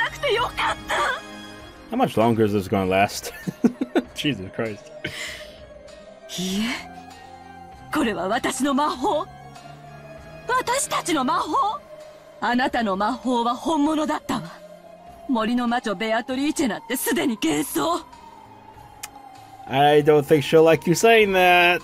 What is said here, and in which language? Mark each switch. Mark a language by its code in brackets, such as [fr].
[en] How much longer is this going to last? Jesus Christ. [ja] これは私の魔法。私たちの魔法。あなたの魔法は本物だったわ。 [en] I don't think she'll like you saying that.